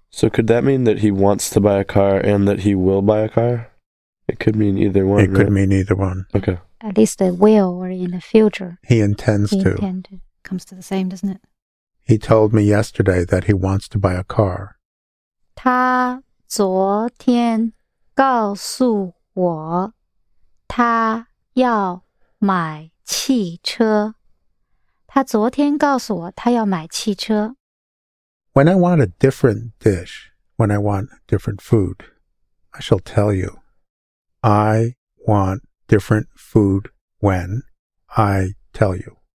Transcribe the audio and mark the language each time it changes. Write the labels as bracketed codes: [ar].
[en] So could that mean that he wants to buy a car and that he will buy a car? It could mean either one, It right? could mean either one. Okay. At least they will, or in the future. He intends to. Comes to the same, doesn't it? He told me yesterday that he wants to buy a car. [zh] 他昨天告诉我他要买汽车。 [en] When I want a different dish, when I want different food, I shall tell you. I want different food when I tell you.